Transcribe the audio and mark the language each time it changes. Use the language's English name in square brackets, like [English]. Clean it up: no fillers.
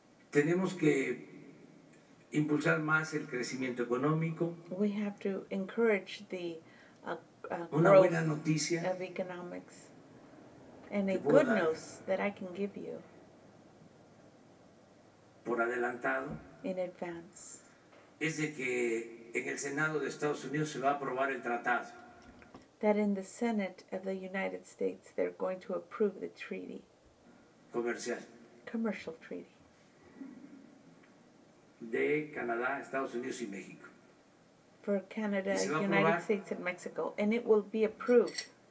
[Spanish] tenemos que impulsar más el crecimiento económico. [English] We have to encourage the [Spanish] una buena noticia [English] of economics and a good news that I can give you [Spanish] por adelantado [English] in advance [Spanish] es de que en el Senado de Estados Unidos se va a aprobar el tratado. [English] That in the Senate of the United States they're going to approve the treaty. [Spanish] Comercial. [English] Commercial treaty [Spanish] de Canadá, Estados Unidos y México. [English] for Canada, United States, and Mexico, and it will be approved.